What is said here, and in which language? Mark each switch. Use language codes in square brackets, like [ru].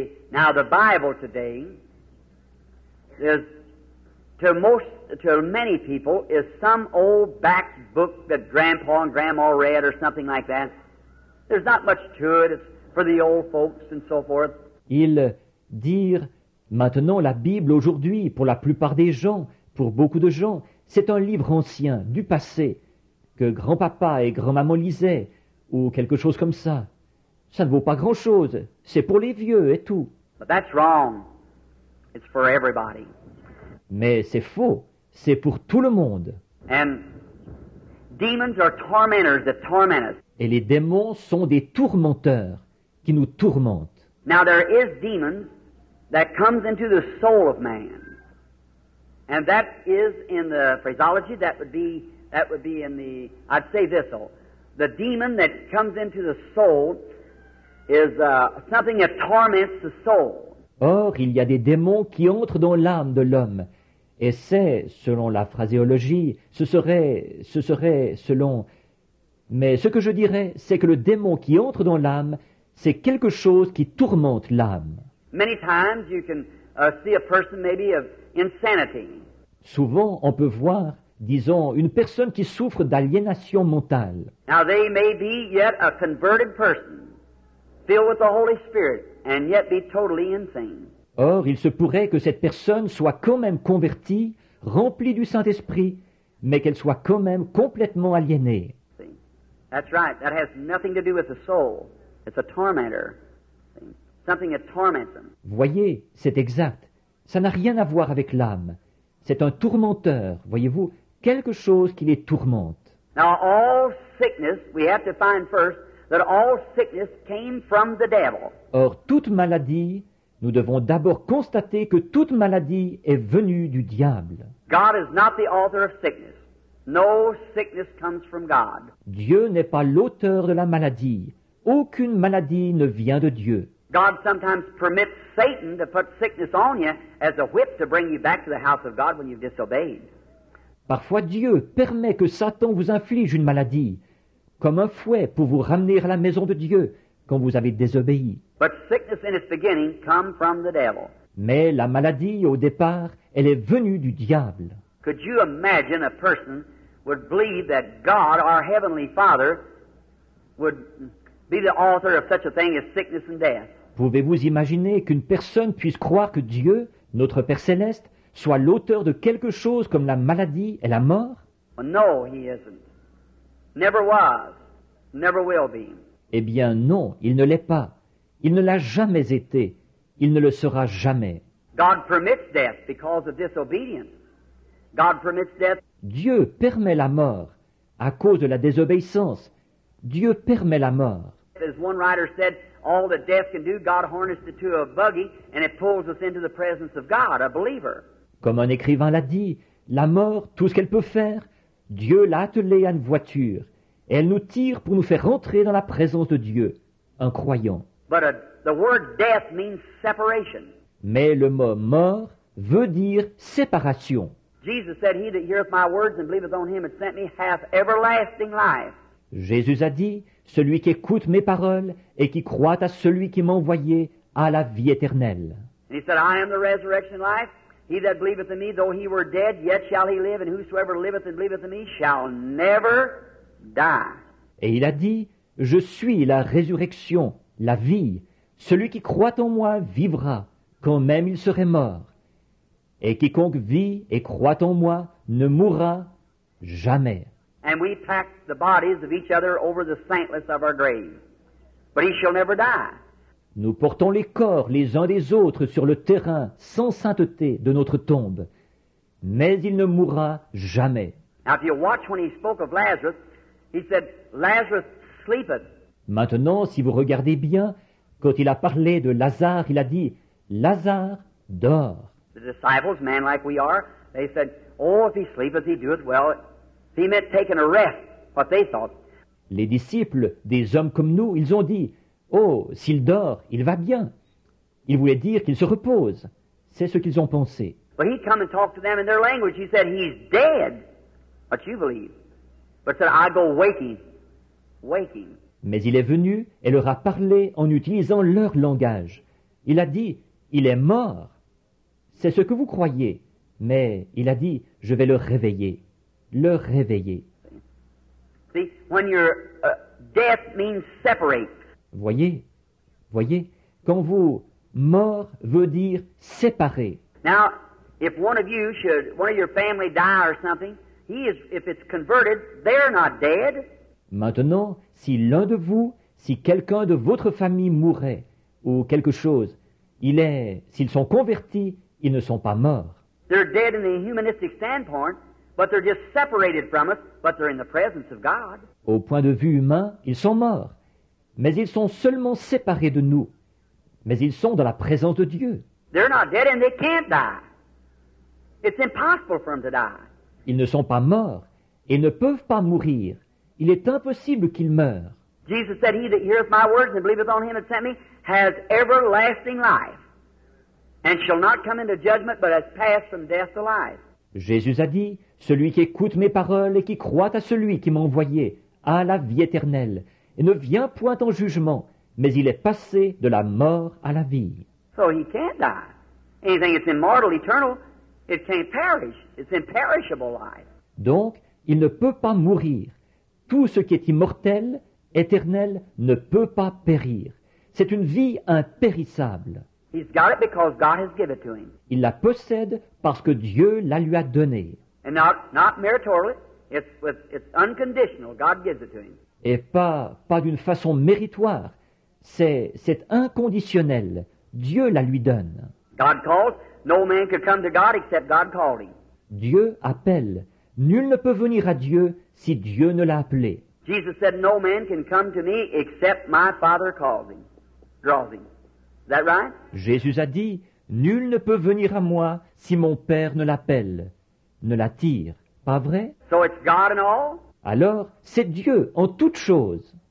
[en] Now the Bible today is to most to many people is some old back book that grandpa and grandma read or something like that. There's not much to it. It's for the old folks and so forth. [fr] Ils disent maintenant la Bible aujourd'hui pour la plupart des gens, pour beaucoup de gens, c'est un livre ancien du passé que grand-papa et grand-maman lisaient ou quelque chose comme ça. Ça ne vaut pas grand-chose. C'est pour les vieux et tout. [en] But that's wrong. It's for everybody. [fr] Mais c'est faux. C'est pour tout le monde. [en] And demons are tormentors that torment us. [fr] Et les démons sont des tourmenteurs qui nous tourmentent. [en] Now there is demons that comes into the soul of man. And that is in the phraseology, that would be in the, I'd say this though, the demon that comes into the soul is something that torments the soul. [fr] Or, il y a des démons qui entrent dans l'âme de l'homme. Et c'est, selon la phraséologie, ce serait selon... Mais ce que je dirais, c'est que le démon qui entre dans l'âme, c'est quelque chose qui tourmente l'âme. [en] Many times you can see a person maybe of insanity. [fr] Souvent, on peut voir, disons, une personne qui souffre d'aliénation mentale. [en] Now they may be yet a converted person. Filled with the Holy Spirit, and yet be totally insane. [fr] Or, il se pourrait que cette personne soit quand même convertie, remplie du Saint-Esprit, mais qu'elle soit quand même complètement aliénée. [en] That's right. That has nothing to do with the soul. It's a tormentor. Something that torments them. [fr] Voyez, c'est exact. Ça n'a rien à voir avec l'âme. C'est un tourmenteur, voyez-vous, quelque chose qui les tourmente. [en] Now, all sickness, we have to find first, that all sickness came from the devil. [fr] Or, toute maladie, nous devons d'abord constater que toute maladie est venue du diable. [en] God is not the author of sickness. No sickness comes from God. [fr] Dieu n'est pas l'auteur de la maladie. Aucune maladie ne vient de Dieu. [en] God sometimes permits Satan to put sickness on you as a whip to bring you back to the house of God when you've disobeyed. [fr] Parfois Dieu permet que Satan vous inflige une maladie comme un fouet pour vous ramener à la maison de Dieu quand vous avez désobéi. [en] But sickness in its beginning come from the devil. [fr] Mais la maladie, au départ, elle est venue du diable. [en] Could you imagine a person would believe that God, our Heavenly Father, would be the author of such a thing as sickness and death? [fr] Pouvez-vous imaginer qu'une personne puisse croire que Dieu, notre Père Céleste, soit l'auteur de quelque chose comme la maladie et la mort? [en] Well, no, he isn't. Never was, never will be. [fr] Eh bien, non, il ne l'est pas. Il ne l'a jamais été. Il ne le sera jamais. [en] God permits death because of disobedience. God permits death. [fr] Dieu permet la mort à cause de la désobéissance. Dieu permet la mort. [en] As one writer said, all that death can do, God harnessed it to a buggy and it pulls us into the presence of God, a believer. [fr] Comme un écrivain l'a dit, la mort, tout ce qu'elle peut faire, Dieu l'a attelée à une voiture et elle nous tire pour nous faire rentrer dans la présence de Dieu, un croyant. [en] But the word death means separation. [fr] Mais le mot mort veut dire séparation. [en] Jesus said, he that heareth my words and believeth on him that sent me hath everlasting life. [fr] Jésus a dit, celui qui écoute mes paroles et qui croit à celui qui m'a envoyé a la vie éternelle. [en] And he said, I am the resurrection life. He that believeth in me, though he were dead, yet shall he live, and whosoever liveth and believeth in me shall never die. [fr] Et il a dit, je suis la résurrection, la vie. Celui qui croit en moi vivra, quand même il serait mort. Et quiconque vit et croit en moi ne mourra jamais. [en] And we pack the bodies of each other over the saintless of our grave. But he shall never die. [fr] Nous portons les corps les uns des autres sur le terrain sans sainteté de notre tombe. Mais il ne mourra jamais. [en] Now, if you watch when he spoke of Lazarus, he said, Lazarus sleepeth. [fr] Maintenant, si vous regardez bien, quand il a parlé de Lazare, il a dit, Lazare dort. [en] The disciples, man like we are, they said, oh, if he sleepeth, he doeth well. If he meant taking a rest, what they thought. [fr] Les disciples, des hommes comme nous, ils ont dit, oh, s'il dort, il va bien. Il voulait dire qu'il se repose. C'est ce qu'ils ont pensé. [en] But he'd come and talk to them in their language. He said, he's dead. What you believe. But said, I go waking, waking. [fr] Mais il est venu et leur a parlé en utilisant leur langage. Il a dit, il est mort. C'est ce que vous croyez. Mais il a dit, je vais le réveiller. Le réveiller. [en] See, when you're, death means separate. [fr] Voyez, voyez, quand vous mort veut dire séparé. [en] Now, if one of you should, one of your family die or something, he is, if it's converted, they're not dead. [fr] Maintenant, si l'un de vous, si quelqu'un de votre famille mourait, ou quelque chose, il est, s'ils sont convertis, ils ne sont pas morts. [en] They're dead in the humanistic standpoint, but they're just separated from us, but they're in the presence of God. [fr] Au point de vue humain, ils sont morts, mais ils sont seulement séparés de nous. Mais ils sont dans la présence de Dieu. [en] They're not dead and they can't die. It's impossible for them to die. [fr] Ils ne sont pas morts et ne peuvent pas mourir. Il est impossible qu'ils meurent. [en] Jesus said, he that heareth my words and believeth on him that sent me has everlasting life and shall not come into judgment but has passed from death to life. [fr] Jésus a dit, celui qui écoute mes paroles et qui croit à celui qui m'a envoyé a la vie éternelle et ne vient point en jugement. Mais il est passé de la mort à la vie. [en] So he can't die. Anything that's immortal, eternal, it can't perish. It's imperishable life. [fr] Donc, il ne peut pas mourir. Tout ce qui est immortel, éternel, ne peut pas périr. C'est une vie impérissable. [en] He's got it because God has given it to him. [fr] Il la possède parce que Dieu la lui a donnée. [en] And not meritorily, it's unconditional. God gives it to him. [fr] Et pas d'une façon méritoire. C'est inconditionnel. Dieu la lui donne. [en] God calls. No man can come to God except God called him. [fr] Dieu appelle. Nul ne peut venir à Dieu si Dieu ne l'a appelé. [en] Jesus said, no man can come to me except my Father calls him, draws him. Is that right? [fr] Jésus a dit, nul ne peut venir à moi si mon Père ne l'appelle, ne l'attire. Pas vrai? [en] So it's God in all? [fr] Alors, c'est Dieu en toutes choses.